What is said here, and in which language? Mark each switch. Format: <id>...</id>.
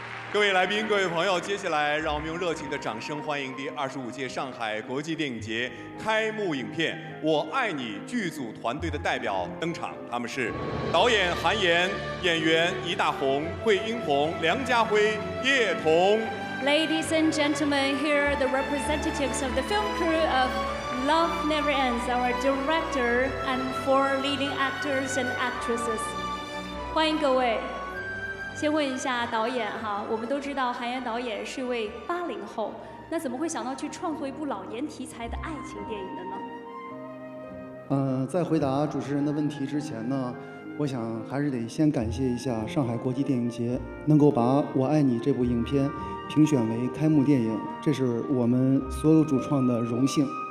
<zh>各位来宾，各位朋友，接下来让我们用热情的掌声欢迎第25届上海国际电影节开幕影片《我爱你》剧组团队的代表登场，他们是导演韩延、演员倪大红、惠英红、梁家辉、叶童。</zh> <en>Ladies and gentlemen, here are the representatives of the film crew of Love Never Ends, our director and four leading actors and actresses.</en> <zh>欢迎各位。先问一下导演哈，我们都知道韩延导演是一位80后，那怎么会想到去创作一部老年题材的爱情电影的呢？在回答主持人的问题之前呢，我想还是得先感谢一下上海国际电影节能够把《我爱你》这部影片评选为开幕电影，这是我们所有主创的荣幸。</zh>